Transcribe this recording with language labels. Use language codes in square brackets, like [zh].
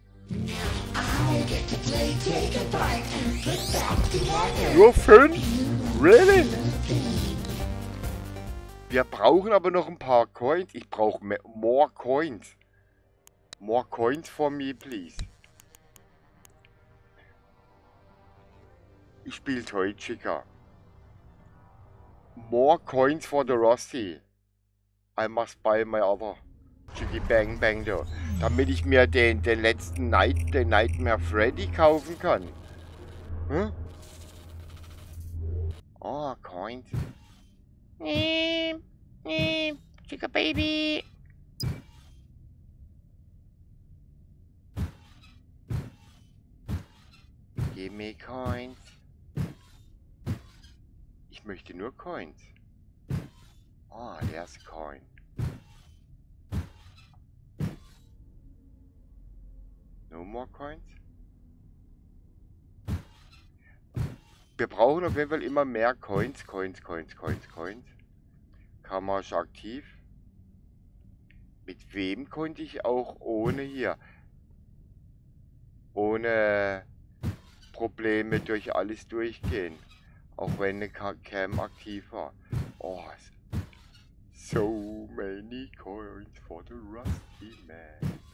[en] Now I get to play, take apart and put back together. Your friend? Really? [de] Wir brauchen aber noch ein paar Coins. Ich brauche [en] more [de] Coins. More Coins for me, please. Ich spiele [en] Toy Chica. More Coins for the Rusty. I must buy my other Chicky Bang Bang Do. [de] Damit ich mir den letzten Night, den Nightmare Freddy kaufen kann. Hm? [en] Oh, Coins. Chicka Baby. Give me Coins. Ich möchte nur Coins. Oh, there's a coin. No more coins? [de] Wir brauchen auf jeden Fall immer mehr Coins, Coins, Coins, Coins, Coins. Kamera ist aktiv. Mit wem konnte ich auch ohne hier? Ohne Probleme durch alles durchgehen. Auch wenn eine Cam aktiv war. [en] Oh, so many coins for the Rusty Man.